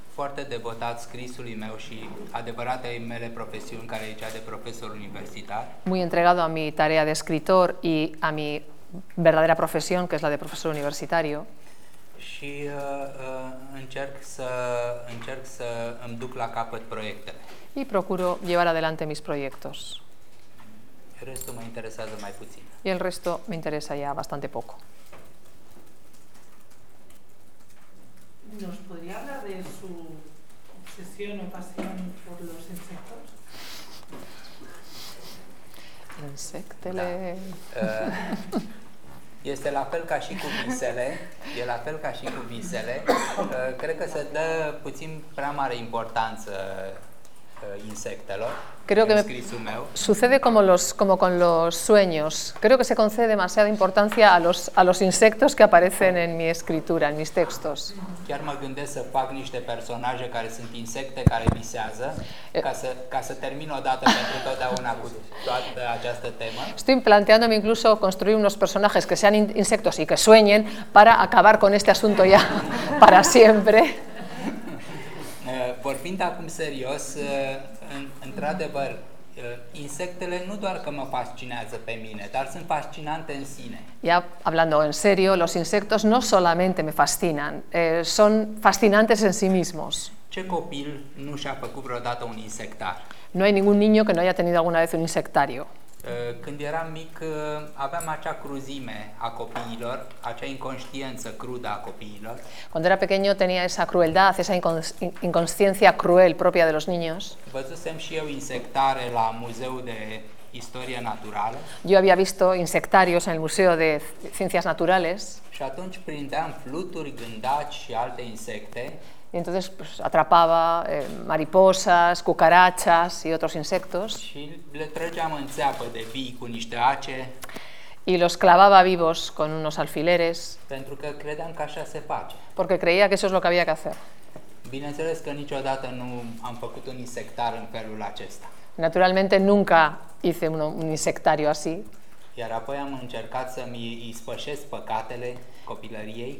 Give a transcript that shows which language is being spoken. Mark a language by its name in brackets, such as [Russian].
[Romanian] Foarte devotat scrisului meu și adevăratei mele profesiuni, care e cea de profesor universitar. [Spanish] Muy entregado a mi tarea de escritor y a mi verdadera profesión, que es la de profesor universitario. [Romanian] Și încerc să îmi duc la capăt proiectele. [Spanish] Y procuro llevar adelante mis proyectos. El resto [Romanian] mă interesează mai puțin. [Spanish] Y el resto me interesa ya bastante poco. ¿Nos podría hablar de su obsesión o pasión por los insectos? [Romanian] Insectele. Da. Este la fel ca și cu visele, e la fel ca și cu visele. Cred că se dă puțin prea mare importanță insectelor. [Spanish] Creo que [Romanian] meu. [Spanish] Sucede como con los sueños. Creo que se concede demasiada importancia a los insectos que aparecen en mi escritura, en mis textos. [Romanian] Chiar mă gândesc să fac niște personaje care sunt insecte care visează, ca să termin o dată pentru totdeauna cu toată această temă. [Spanish] Estoy planteándome incluso construir unos personajes que sean insectos y que sueñen para acabar con este asunto ya para siempre. [Romanian] Vorbind acum serios, într-adevăr, insectele nu doar că mă fascinează pe mine, dar sunt fascinante în sine. [Spanish] Ya hablando en serio, los insectos no solamente me fascinan, son fascinantes en sí mismos. [Romanian] Ce copil nu și-a făcut vreodată un insectar? [Spanish] No hay ningún niño que no haya tenido alguna vez un insectario. [Romanian] Când eram mic, aveam acea cruzime a copiilor, acea inconștiență crudă a copiilor. [Spanish] Cuando era pequeño tenía esa crueldad, esa inconsciencia cruel propia de los niños. [Romanian] Văzusem și eu insectare la Muzeul de Istorie Naturală. [Spanish] Yo había visto insectarios en el Museo de Ciencias Naturales. [Romanian] Și atunci prindeam fluturi, gândaci și alte insecte. [Spanish] Y entonces pues, atrapaba mariposas, cucarachas y otros insectos. [Romanian] Și le trăgeam în țeapă de vii cu niște ace. [Spanish] Y los clavaba vivos con unos alfileres. [Romanian] Pentru că credeam că așa se face. [Spanish] Porque creía que eso es lo que había que hacer. [Romanian] Bineînțeles că niciodată nu am făcut un insectar în felul acesta. [Spanish] Naturalmente nunca hice un insectario así. [Romanian] Iar apoi am încercat să-mi ispășesc păcatele copilăriei.